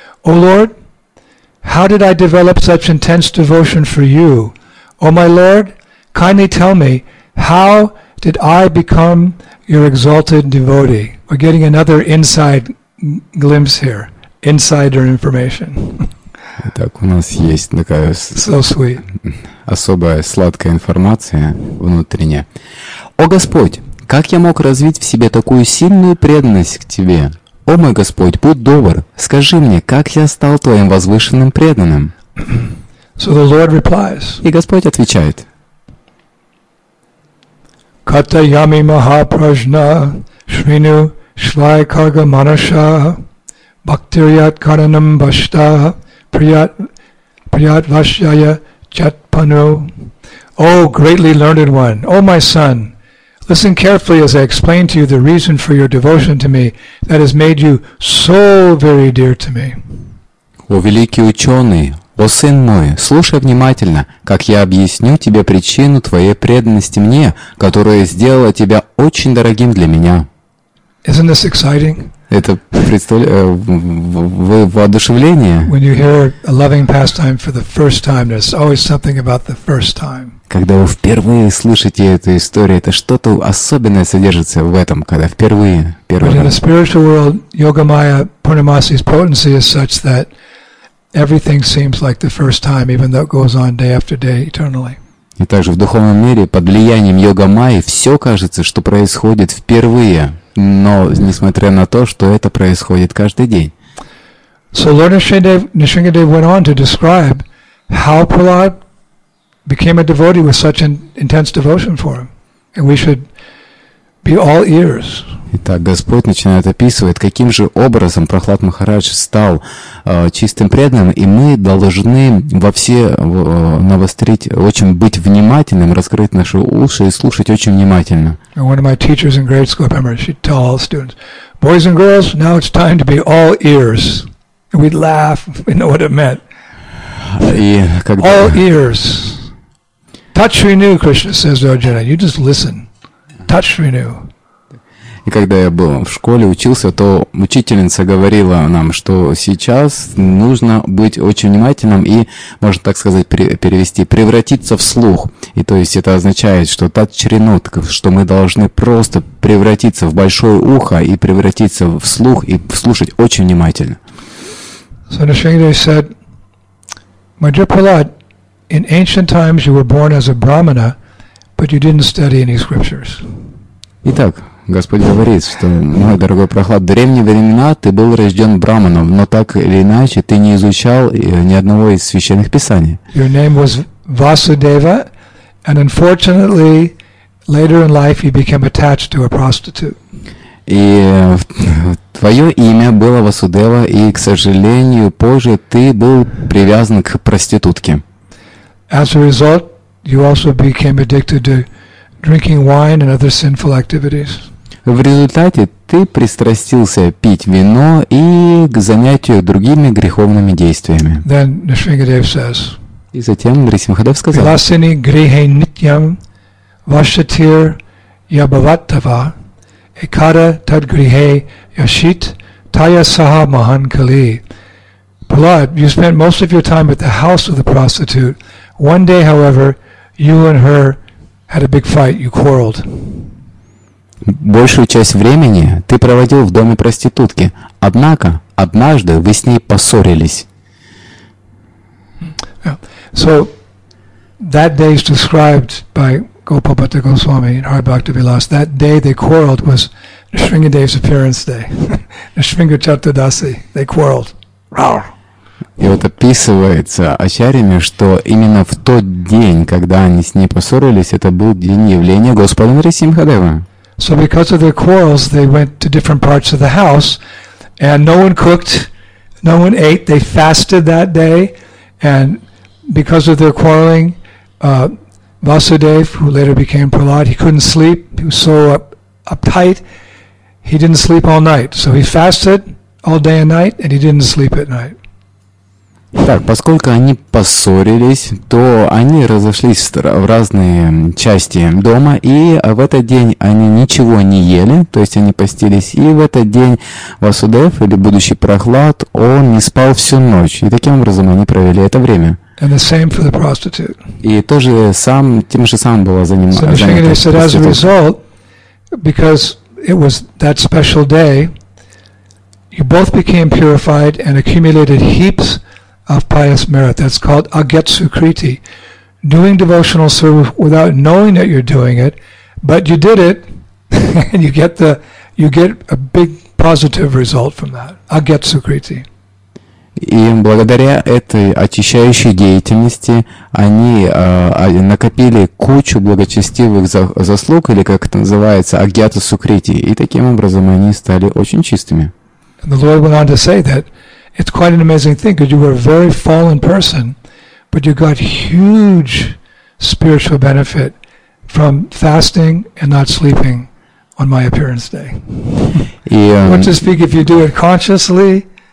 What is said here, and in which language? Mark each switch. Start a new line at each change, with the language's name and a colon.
English: O Lord, how did I develop such intense devotion for You? O my Lord, kindly tell me, how did I become Your exalted devotee? We're getting another inside glimpse here, insider information.
Russian: Итак, у нас есть такая
English: so sweet.
Russian: Особая сладкая информация внутренняя. О Господь, как я мог развить в себе такую сильную преданность к Тебе? О мой Господь, будь добр, скажи мне, как я стал Твоим возвышенным преданным?
English: So the Lord replies,
Russian: и Господь отвечает.
Sanskrit: Катаями Махапражна Шрину Шлайкага Манаша Бхактирьят Каранам Башта Прият, прият Вашьяя Чатпану.
English: О, greatly learned one, О my son, listen carefully as I explain to you the reason for your devotion to me that has made you so very dear to me.
Russian: О великий ученый, о сын мой, слушай внимательно, как я объясню тебе причину твоей преданности мне, которая сделала тебя очень дорогим для меня.
English: Isn't this exciting?
Russian: Это воодушевление.
English: When you hear a loving pastime for the first time, there's always something about the first time.
Russian: Когда вы впервые слышите эту историю, это что-то особенное содержится в этом, когда впервые, первый раз.
English: In the spiritual world, Yoga Maya Purnamasi's potency is such that everything seems like the first time, even though it goes on day after day eternally.
Russian: И также в духовном мире под влиянием Йога Майи все кажется, что происходит впервые, но несмотря на то, что это происходит каждый день.
English: So Lord Nrisimhadev went on to describe how Prahlad became a devotee with such an intense devotion for him, and we should be all ears.
Russian: Итак, Господь начинает описывать, каким же образом Прахлад Махарадж стал чистым преданным, и мы должны во все навострить, очень быть внимательным, раскрыть наши уши и слушать очень внимательно.
English: And one of my teachers in grade school, I remember, she'd tell all students, boys and girls, now it's time to be all ears. And we'd laugh, we know what it meant. All ears. Touch renew, Krishna says to Arjuna. You just listen. Touch renew.
Russian: И когда я был в школе, учился, то учительница говорила нам, что сейчас нужно быть очень внимательным и, можно так сказать, перевести, превратиться в слух. И то есть это означает, что та чернотка, что мы должны просто превратиться в большое ухо и превратиться в слух и слушать очень внимательно.
English: So Nrisimhadev said, my dear Prahlad, in ancient times you were born as a brahmana, but you didn't study any scriptures.
Russian: Итак, Господь говорит, что, мой дорогой Прахлад, в древние времена ты был рожден брахманом, но так или иначе ты не изучал ни одного из священных писаний.
English: Your name was Vasudeva, and unfortunately, later in life he became attached to a prostitute.
Russian: И твое имя было Васудева, и, к сожалению, позже ты был привязан к проститутке.
English: As a result, you also became addicted to drinking wine and other sinful activities.
Russian: В результате ты пристрастился пить вино и к занятию другими греховными действиями.
English: Then Nrisimhadev says.
Russian: И затем Нрисимхадев сказал.
Sanskrit: Виласини грихе нитьям вашатир ябаваттава экара тад грихе яшит тая саха махан кали.
English: Prahlad, you spent most of your time at the house of the prostitute. One day, however, you and her had a big fight. You quarreled.
Russian: Большую часть времени ты проводил в доме проститутки, однако однажды вы с ней поссорились.
English: So that day is described by Gopabhatta Goswami in Hari Bhakta Vilas. That day they quarreled was Nrisimhadev's appearance day. Nrisimha Chattodasi, they quarreled. Rawr.
Russian: И вот описывается ачарьями, что именно в тот день, когда они с ней поссорились, это был день явления Господа Нрисимхадева.
English: So because of their quarrels, they went to different parts of the house, and no one cooked, No one ate. They fasted that day, and because of their quarreling, Vasudev, who later became Prahlad, he couldn't sleep. He was so uptight. He didn't sleep all night. So he fasted all day and night, and he didn't sleep at night.
Russian: Так, поскольку они поссорились, то они разошлись в разные части дома, и в этот день они ничего не ели, то есть они постились, и в этот день Васудев, или будущий Прохлад, он не спал всю ночь, и таким образом они провели это время.
English: And the same for the prostitute.
Russian: И то же сам, тем же самым было за ним,
English: so
Russian: занято проститутом.
English: As a result, because it was that special day, you both became purified and accumulated heaps of pious merit. That's called agetsu kriti. Doing devotional service without knowing that you're doing it, but you did it, and you get a big positive result from that. Agetsu kriti.
Russian: И благодаря этой очищающей деятельности они накопили кучу благочестивых заслуг, или как это называется, агетсу крити. И таким образом они стали очень чистыми.
English: And the Lord went on to say that it's quite an amazing thing, because you were a very fallen person, but you got huge spiritual benefit from fasting and not sleeping on my appearance day. What to speak if you do it consciously?